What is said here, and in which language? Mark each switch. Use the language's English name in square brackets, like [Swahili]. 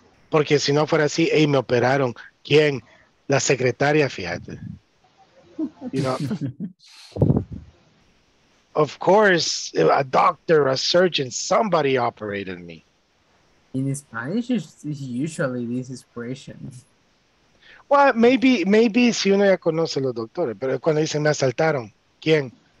[Spanish] Porque si no fuera así, hey, me operaron. ¿Quién? La secretaria, fíjate. [English] You know, of course, a doctor, a surgeon, somebody operated me. In Spanish, it's usually this expression. Well, maybe [Spanish] si uno ya conoce los doctores, pero cuando dicen me asaltaron, ¿quién?